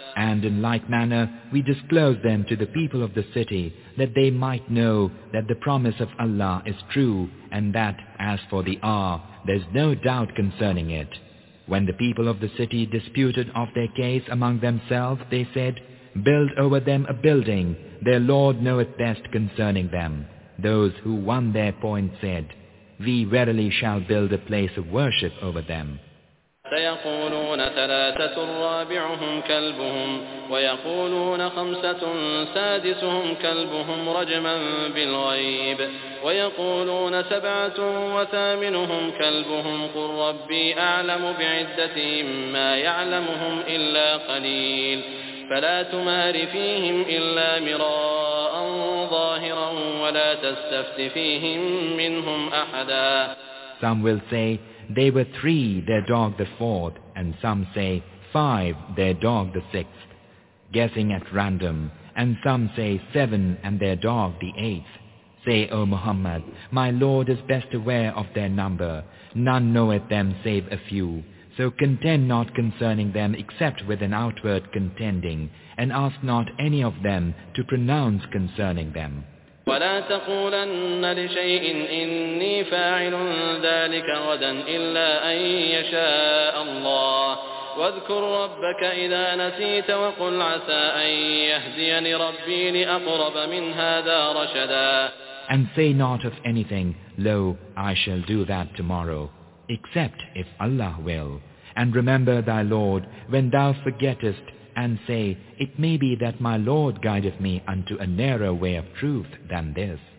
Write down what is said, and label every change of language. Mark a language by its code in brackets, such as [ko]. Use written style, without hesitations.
[en] And in like manner we disclosed them to the people of the city that they might know that the promise of Allah is true and that as for the hour there's no doubt concerning it. When the people of the city disputed of their case among themselves, they said, Build over them a building, their Lord knoweth best concerning them. Those who won their point said, We verily shall build a place of worship over them. [ar] سيقولون ثلاثة رابعهم كلبهم ويقولون خمسة سادسهم كلبهم رجما بالغيب ويقولون سبعة وثامنهم كلبهم قل ربي أعلم بعدتهم ما يعلمهم إلا قليل فلا تمار فيهم إلا مراء ظاهرا ولا تستفت فيهم منهم أحدا. [en] Some will say they were three, their dog the fourth, and some say five, their dog the sixth, guessing at random, and some say seven and their dog the eighth. Say, O Muhammad, my Lord is best aware of their number. None knoweth them save a few. So contend not concerning them except with an outward contending, and ask not any of them to pronounce concerning them. [ar] ولا تقولن لشيء إني فاعل ذلك غدا إلا أن يشاء الله واذكر ربك إذا نسيت وقل عسى أن يهديني ربي لأقرب من هذا رشدا. [en] And say not of anything, lo, I shall do that tomorrow, except if Allah will. And remember thy Lord when thou forgettest, and say, it may be that my Lord guideth me unto a nearer way of truth than this.